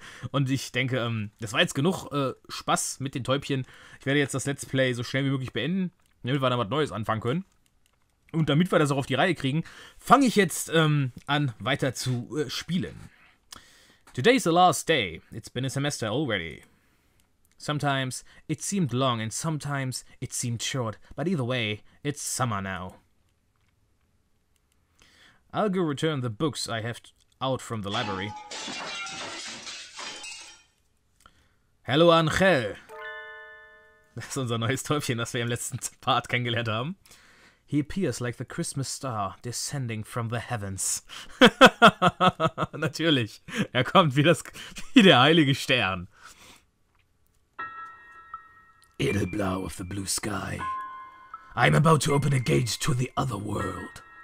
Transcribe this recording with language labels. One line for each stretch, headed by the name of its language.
German: Und ich denke, das war jetzt genug Spaß mit den Täubchen. Ich werde jetzt das Let's Play so schnell wie möglich beenden, damit wir dann was Neues anfangen können. Und damit wir das auch auf die Reihe kriegen, fange ich jetzt an, weiter zu spielen.
English: Today is the last day. It's been a semester already. Sometimes it seemed long and sometimes it seemed short, but either way, it's summer now. I'll go return the books I have out from the library. Hello, Angel.
German: Das ist unser neues Täubchen, das wir im letzten Part kennengelernt haben.
English: He appears like the Christmas star descending from the heavens.
German: Natürlich. Er kommt wie der heilige Stern.
English: Edelblau of the blue sky. I'm about to open a gate to the other world.